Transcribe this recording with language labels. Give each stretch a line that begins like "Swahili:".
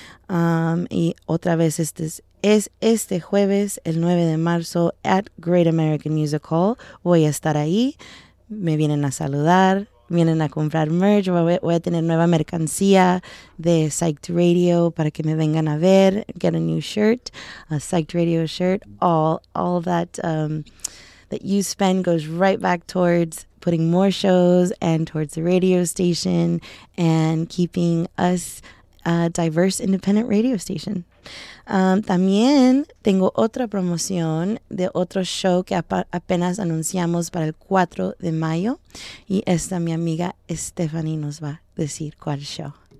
Spanish: Y otra vez es este jueves, el 9 de marzo, at Great American Music Hall. Voy a estar ahí. Me vienen a saludar. Vienen a comprar merch. Voy a tener nueva mercancía de Psyched Radio para que me vengan a ver.
English: Get a new shirt, a Psyched Radio shirt. All that that you spend goes right back towards putting more shows and towards the radio station and keeping us a diverse independent radio station.
Spanish: También tengo otra promoción de otro show que apenas anunciamos para el 4 de mayo. Y esta mi amiga Stephanie nos va a decir cuál show.